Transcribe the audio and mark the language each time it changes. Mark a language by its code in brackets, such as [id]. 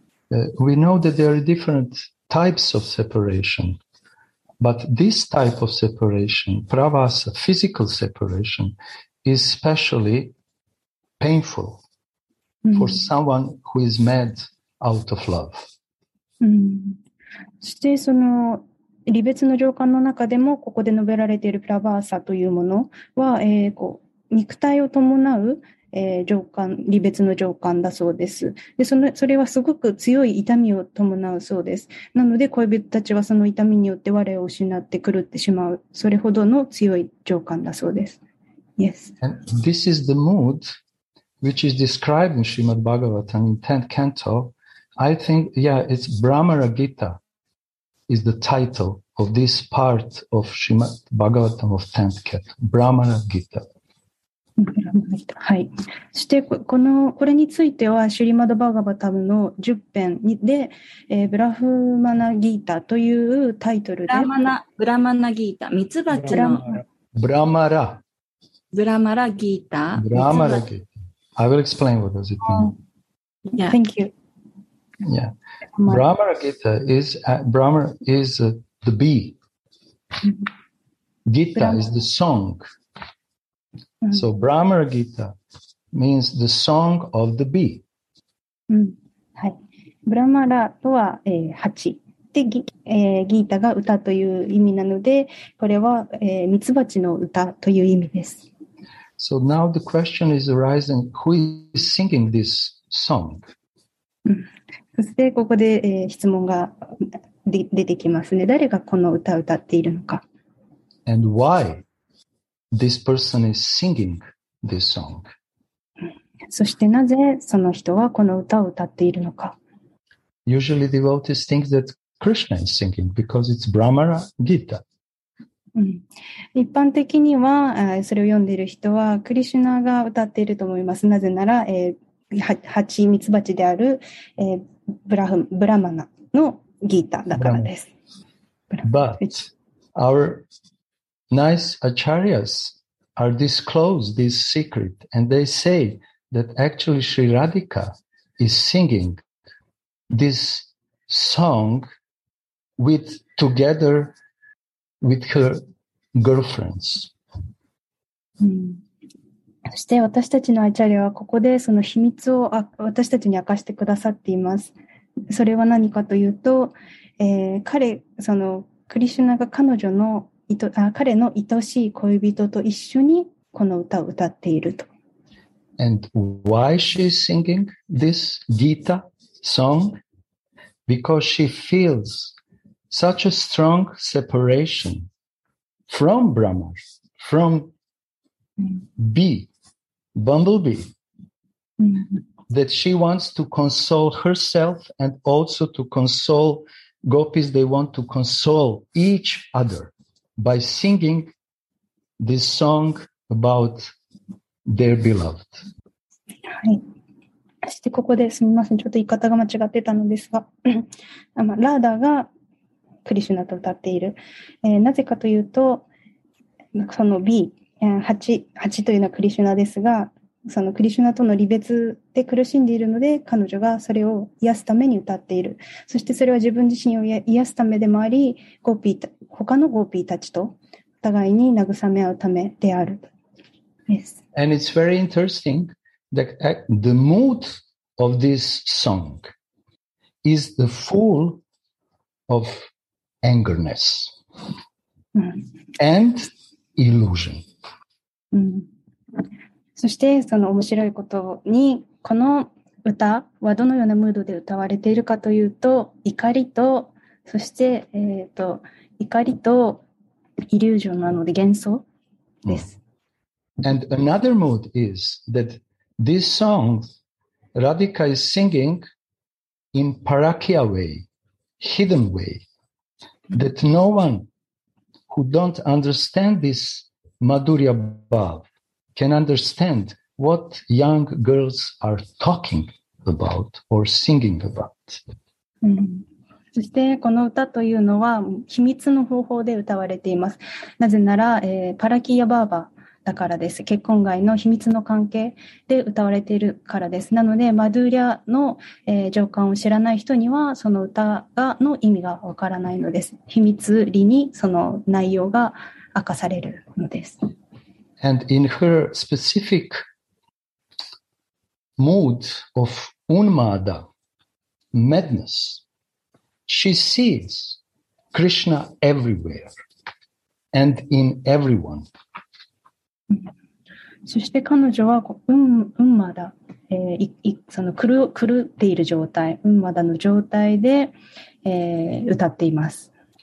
[en] We know that there are different types of separation, but this type of separation, Pravasa, physical separation, is specially painful. For someone who is mad out of love. [ja] そしてその離別の情感の中でもここで述べられているプラバーサというものは、こう肉体を伴う、情感、離別の情感だそうです。で、それはすごく強い痛みを伴うそうです。なので恋人たちはその痛みによって我を失って狂ってしまう、それほどの強い情感だそうです。 [en] Yes. And this is the mood. Which is described in Srimad Bhagavatam in 10th canto. I think, yeah, it's Brahmara Gita is the title of this part of Srimad Bhagavatam of 10th canto. Brahmara Gita. [ja] はい、そしてこれについてはシュリマドバガバタムの10編で、ブラフマナギータというタイトルで、ブラマナギータ、ミツバチのブラマラブラマラギータ、 [en] ブラマラギータI will explain what does it mean. Yeah, thank you. Yeah. Brahmagita is Brahma is the bee. Gita Brahma. Is the song. Mm. So Brahmagita means the song of the bee. [ja] Mm. はい。Brahmara とは蜂。で、ギータが歌という意味なので、これはミツバチの歌という意味です。 [en] So now the question is arising, who is singing this song? [ja] そしてここで、質問が出てきますね。誰がこの歌を歌っているのか。 [en] And why this person is singing this song? [ja] そしてなぜその人はこの歌を歌っているのか。 [en] Usually devotees think that Krishna is singing because it's Brahmara Gita. [ja] 一般的にはそれを読んでいる人はクリシュナが歌っていると思います。なぜなら、ハチミツバチであるブラマナのギータだからです。 [en] But our nice acharyas are disclose this secret and they say that actually Sri Radhika is singing this song with together with her girlfriends. [ja] そして私たちのアチャリアはここでその秘密を私たちに明かしてくださっています。それは何かというと、彼そのクリシュナが彼女の彼の愛しい恋人と一緒にこの歌を歌っていると。 [en] And why she is singing this Gita song? Because she feels such a strong separation from Brahma, from bee, bumblebee, that she wants to console herself and also to console gopis. They want to console each other by singing this song about their beloved. [ja] そしてここですみません、ちょっと言い方が間違ってたのですが、ラーダがクリシュナと歌っている。なぜかというと、その B、ハチというのはクリシュナですが、そのクリシュナとの離別で苦しんでいるので、彼女がそれを癒すために歌っている。そしてそれは自分自身を癒すためでもあり、他のゴーピーたちとお互いに慰め合うためであるです。 [en] And it's very interesting. The mood of this song is the full of angerness and illusion. [ja] そしてその面白いことにこの歌はどのようなムードで歌われているかというと怒りとそして怒りとイリュージョンなので幻想です。 [en] And another mood is thatThis song, Radhika is singing in parakya way, hidden way, that no one who don't understand this Madhurya Bhav can understand what young girls are talking about or singing about. [ja] そしてこの歌というのは秘密の方法で歌われています。なぜなら、パラキヤバーバーだからです。結婚外の秘密の関係で歌われているからです。なので、マドゥーリャの、情感を知らない人には、その歌がの意味がわからないのです。秘密裏にその内容が明かされるのです。 [en] And in her specific mood of unmada, madness, she sees Krishna everywhere and in everyone. [ja] そして彼女はマダ、その狂っている状態、マダの状態で、歌っています。